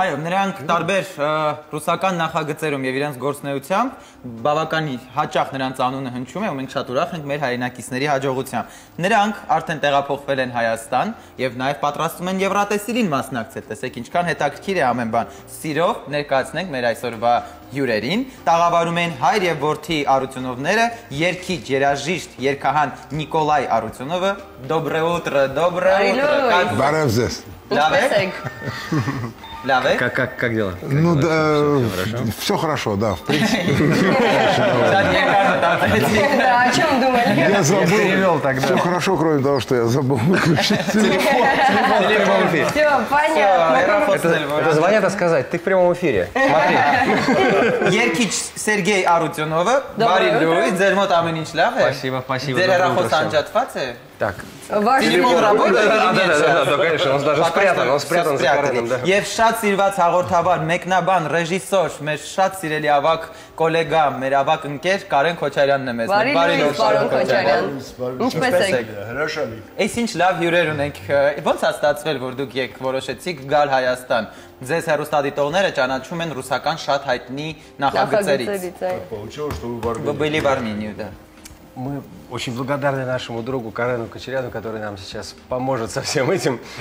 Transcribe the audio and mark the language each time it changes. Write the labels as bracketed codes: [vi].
[hy] Այո, նրանք տարբեր ռուսական նախագծերում և իրենց գործնեությամբ բավականին հաճախ նրանց անունը հնչում է, ու մենք շատ ուրախ ենք մեր հայրենակիցների հաջողությամբ։ Նրանք արդեն տեղափոխվել են Հայաստան և նաև պատրաստում են Եվրատեսիլին մասնակցել, տեսեք ինչքան հետաքրքիր է ամեն բան։ Սիրով ներկայացնենք մեր այսօրվա հյուրերին, տաղավարում են հայր և որդի Արությունովները, երգիչ, երաժիշտ, երգահան Նիկոլայ Արությունովը, [ru] դոբրե ուտրը, դոբրե ուտրը, [hy] բարև ձեզ, լավ եք, լավ եք, [ru] как дела, ну да, все хорошо, да, в принципе, о чем думали, я забыл, все хорошо, кроме того, что я забыл выключить телефон, все, понятно, это звонят сказать, ты в прямом эфире, смотри, [hy] Երգիչ Սերգեյ Արությունովը, բարի լույս, ձեր մոտ ամեն ինչ լավ է, ձեր հեռախոս անջատված է, [ru] телефон работает, да, да, да, конечно, он даже спрятан, он спрятан за экраном, да. [hy] Եվ շատ սիրված հաղորդավար, մեկնաբան, ռեժիսոր, մեր շատ սիրելի ավակ կոլեգա, մեր ավակ ընկեր Կարեն Քոչարյանն է մեզ, բարի լույս, բարի լույս, բարի լույս, ինչպես եք, հրաշալի, այսինչ լավ հյուրեր ունենք, ո՞նց է ստացվել, որ դուք եք որոշեցիք գալ Հայաստան, ձեզ հեռուստադիտողները ճանաչում են ռուսական շատ հայտնի նախագծերից, [ru] вы были в Армении, да. Мы очень благодарны нашему другу Карену Кочеряну, который нам сейчас поможет со всем этим.